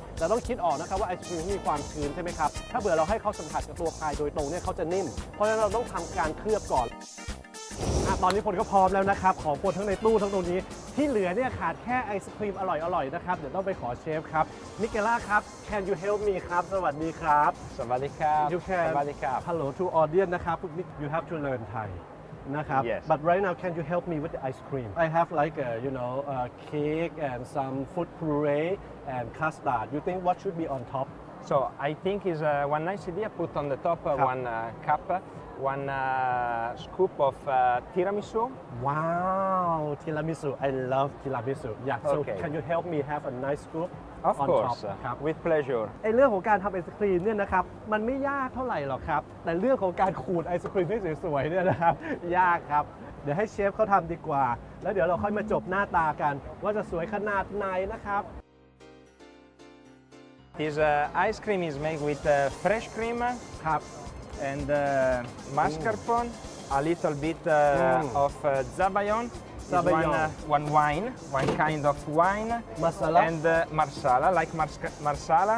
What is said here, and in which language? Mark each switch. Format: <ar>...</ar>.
<th>แต่ต้องคิดออกนะครับว่าไอศครีมมีความชื้นใช่ไหมครับถ้าเผื่อเราให้เขาสัมผัสกับตัวพายโดยตรงเนี่ยเขาจะนิ่มเพราะฉะนั้นเราต้องทำการเคลือบก่อน ตอนนี้ผลก็พร้อมแล้วนะครับของผลทั้งในตู้ทั้งตรงนี้ที่เหลือเนี่ยขาดแค่ไอศครีมอร่อยๆนะครับเดี๋ยวต้องไปขอเชฟครับมิเกล่าครับ</th> <en>Can you help me</en> <th>ครับสวัสดีครับ สวัสดีครับ</th> <en>You can</en> <th>สวัสดีครับ</th> <en>Hello to audience นะครับ You have to learn Thaiนะครับ yes. but right now can you help me with the ice cream I have like you know a cake and some fruit puree and custard you think what should be on top so I think is one nice idea put on the top one cup one scoop of tiramisu wow tiramisu I love tiramisu yeah so okay. can you help me have a nice scoop of on course top? ครับ with pleasure</en> <th>ไอเรื่องของการทำไอศครีมเนี่ยนะครับมันไม่ยากเท่าไหร่หรอกครับแต่เรื่องของการขูดไอศครีมให้สวยๆเนี่ยนะครับยากครับเดี๋ยวให้เชฟเขาทำดีกว่าแล้วเดี๋ยวเราค่อยมาจบหน้าตากันว่าจะสวยขนาดไหนนะครับ</th> <en>this ice cream is made with fresh cream</en> <th>ครับ</th> <en>And mascarpone, a little bit of zabayon, one wine, one kind of wine, marsala. And marsala, like marsala,</en>